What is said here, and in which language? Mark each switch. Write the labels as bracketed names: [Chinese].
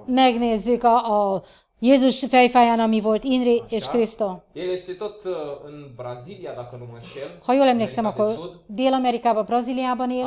[Hungarian] Megnézzük a Jézus fejfáján, ami volt Inri [Romanian] Așa. [Hungarian] És Cristo. [Romanian] El este tot în Brazilia, dacă nu mă înșel. [Hungarian] Ha jól emlékszem, akkor Dél-Amerikában, Brazíliában él.